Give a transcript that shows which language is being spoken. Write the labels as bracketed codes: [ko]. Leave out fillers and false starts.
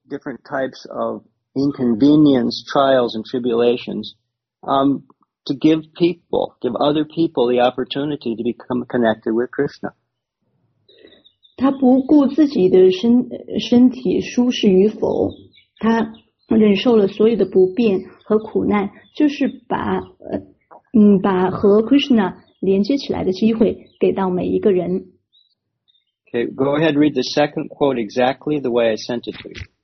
[en] different types of inconvenience, trials, and tribulations, to give other people the opportunity to become connected with Krishna. [zh] 他不顾自己的身体舒适与否，他忍受了所有的不便和苦难，就是把和 Krishna 连接起来的机会给到每一个人。 [en] Okay, go ahead, read the second quote exactly the way I sent it to you.